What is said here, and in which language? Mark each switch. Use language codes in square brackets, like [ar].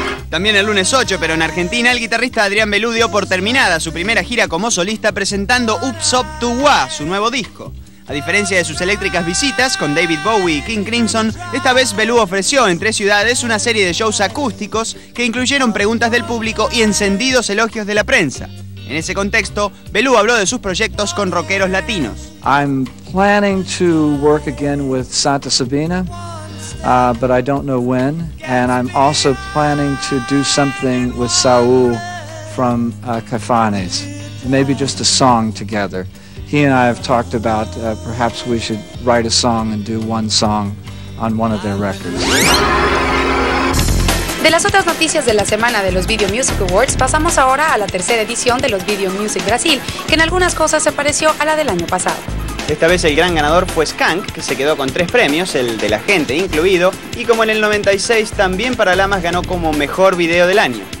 [es] También el lunes 8, pero en Argentina, el guitarrista Adrián Belú dio por terminada su primera gira como solista presentando Ups Up To Wah, su nuevo disco. A diferencia de sus eléctricas visitas con David Bowie y King Crimson, esta vez Belú ofreció en tres ciudades una serie de shows acústicos que incluyeron preguntas del público y encendidos elogios de la prensa. En ese contexto, Belú habló de sus proyectos con rockeros latinos. [en] I'm planning to work again with Santa Sabina, but I don't know when. And I'm also planning to do something with Saúl from Caifanes, maybe just a song together. He and I have talked about perhaps we should write a song and do one song on one of their records. [es] De las otras noticias de la semana de los Video Music Awards, pasamos ahora a la tercera edición de los Video Music Brasil, que en algunas cosas se pareció a la del año pasado. Esta vez el gran ganador fue Skank, que se quedó con tres premios, el de la gente incluido, y como en el 96 también para Lamas ganó como mejor video del año.